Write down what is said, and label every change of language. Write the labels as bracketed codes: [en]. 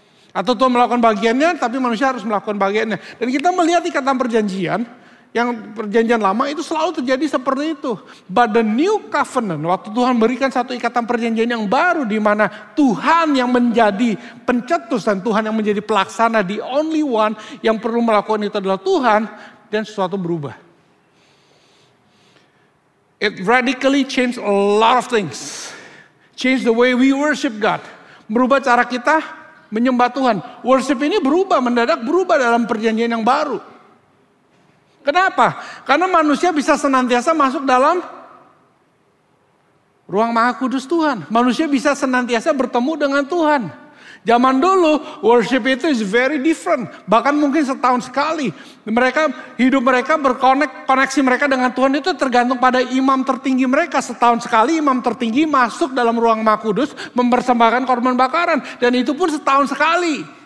[id] Atau Tuhan melakukan bagiannya, tapi manusia harus melakukan bagiannya. Dan kita melihat ikatan perjanjian, yang perjanjian lama itu selalu terjadi seperti itu. [en] But the new covenant, [id] waktu Tuhan berikan satu ikatan perjanjian yang baru, di mana Tuhan yang menjadi pencetus dan Tuhan yang menjadi pelaksana, [en] the only one [id] yang perlu melakukan itu adalah Tuhan, dan sesuatu berubah. [en] It radically changed a lot of things. Changed the way we worship God. [id] Merubah cara kita menyembah Tuhan. Worship ini berubah, mendadak berubah dalam perjanjian yang baru. Kenapa? Karena manusia bisa senantiasa masuk dalam ruang Maha Kudus Tuhan. Manusia bisa senantiasa bertemu dengan Tuhan. Zaman dulu, [en] worship itu is very different. [id] Bahkan mungkin setahun sekali. Mereka, hidup mereka, koneksi mereka dengan Tuhan itu tergantung pada imam tertinggi mereka. Setahun sekali imam tertinggi masuk dalam ruang Maha Kudus mempersembahkan korban bakaran. Dan itu pun setahun sekali.